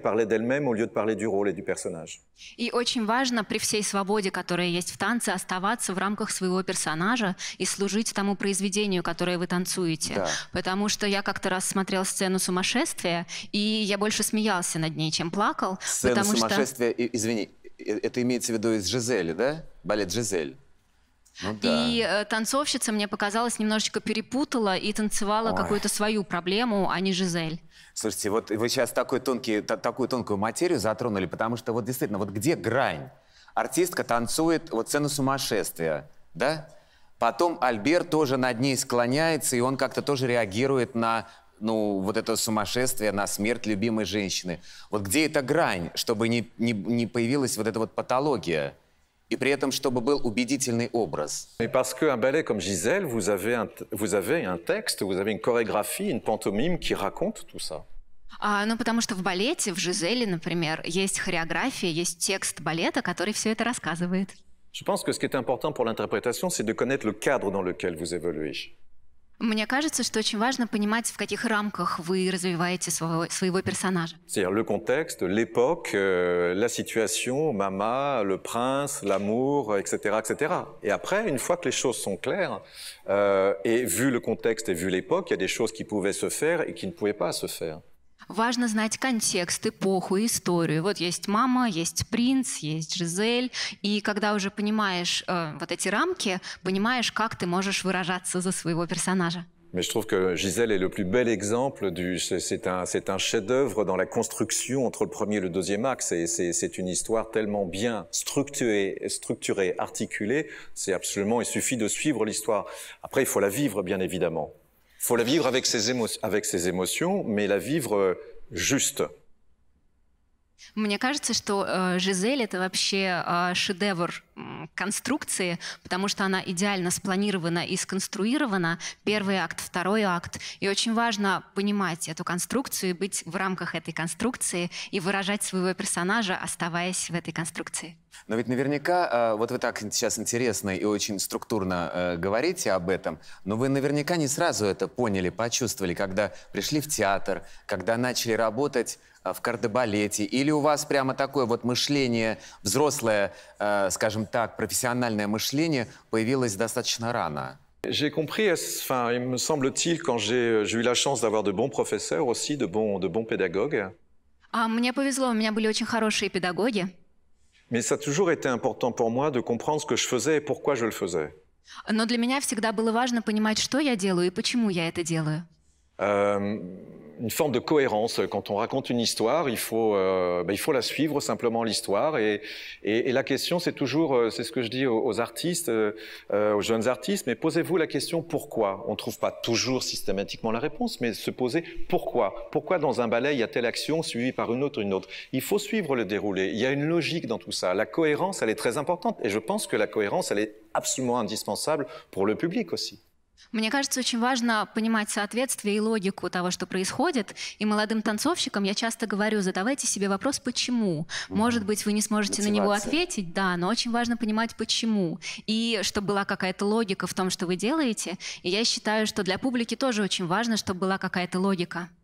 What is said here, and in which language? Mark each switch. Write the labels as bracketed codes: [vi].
[fr] Elle parlait d'elle-même au lieu de parler du rôle et du personnage. [ru] И очень важно при всей свободе, которая есть в танце, оставаться в рамках своего персонажа и служить тому произведению, которое вы танцуете. Да. Потому что я как-то раз смотрел сцену сумасшествия, и я больше смеялся над ней, чем плакал. Сцену сумасшествия, извини. Это имеется в виду из «Жизели», да? Балет «Жизель». Ну, да. И танцовщица, мне показалось, немножечко перепутала и танцевала какую-то свою проблему, а не «Жизель». Слушайте, вот вы сейчас такую тонкую материю затронули, потому что вот действительно, вот где грань? Артистка танцует вот сцену сумасшествия, да? Потом Альбер тоже над ней склоняется, и он как-то тоже реагирует на... Ну, вот это сумасшествие на смерть любимой женщины. Вот где эта грань, чтобы не появилась вот эта вот патология? И при этом, чтобы был убедительный образ. [fr] Mais parce que un ballet comme Gisèle, vous avez un texte, vous avez une chorégraphie, une pantomime qui raconte tout ça. [ru] Ну, потому что в балете, в Жизели, например, есть хореография, есть текст балета, который все это рассказывает. [fr] Je pense que ce qui est important pour l'interprétation, c'est de connaître le cadre dans lequel vous évoluez. [ru] Мне кажется, что очень важно понимать, в каких рамках вы развиваете своего персонажа. [fr] C'est-à-dire le contexte, l'époque, la situation, мама, le prince, l'amour, etc., etc. Et après, une fois que les choses sont claires, et vu le contexte et vu l'époque, il y a des choses qui pouvaient se faire et qui ne pouvaient pas se faire. [ru] Важно знать контекст, эпоху, историю. Вот есть мама, есть принц, есть Жизель. И когда уже понимаешь вот эти рамки, понимаешь, как ты можешь выражаться за своего персонажа. [fr] Mais je trouve que Gisèle est le plus bel exemple du. C'est un chef-d'œuvre dans la construction entre le premier et le deuxième acte. C'est une histoire tellement bien structurée, articulée. C'est absolument. Il suffit de suivre l'histoire. Après, il faut la vivre, bien évidemment. Il faut la vivre avec ses émotions, mais la vivre juste. [ru] Мне кажется, что Жизель это вообще шедевр конструкции, потому что она идеально спланирована и сконструирована. Первый акт, второй акт. И очень важно понимать эту конструкцию, быть в рамках этой конструкции и выражать своего персонажа, оставаясь в этой конструкции. Но ведь наверняка, вот вы так сейчас интересно и очень структурно говорите об этом, но вы наверняка не сразу это поняли, почувствовали, когда пришли в театр, когда начали работать в кардебалете, или у вас прямо такое вот мышление, взрослое, скажем так, профессиональное мышление появилось достаточно рано? [fr] J'ai compris, enfin, il me semble-t-il, quand j'ai eu la chance d'avoir de bons professeurs aussi, de bons pédagogues. [ru] Мне повезло, у меня были очень хорошие педагоги. [fr] Mais ça a toujours été important pour moi de comprendre ce que je faisais et pourquoi je le faisais. [ru] Но для меня всегда было важно понимать, что я делаю и почему я это делаю. [fr] Une forme de cohérence. Quand on raconte une histoire, il faut la suivre simplement l'histoire. Et la question, c'est toujours, c'est ce que je dis aux artistes, aux jeunes artistes, mais posez-vous la question pourquoi. On ne trouve pas toujours systématiquement la réponse, mais se poser pourquoi. Pourquoi dans un ballet, il y a telle action suivie par une autre. Il faut suivre le déroulé. Il y a une logique dans tout ça. La cohérence, elle est très importante. Et je pense que la cohérence, elle est absolument indispensable pour le public aussi. [ru] Мне кажется, очень важно понимать соответствие и логику того, что происходит. И молодым танцовщикам я часто говорю, задавайте себе вопрос «почему?». Может быть, вы не сможете на него ответить, да, но очень важно понимать «почему?». И чтобы была какая-то логика в том, что вы делаете. И я считаю, что для публики тоже очень важно, чтобы была какая-то логика.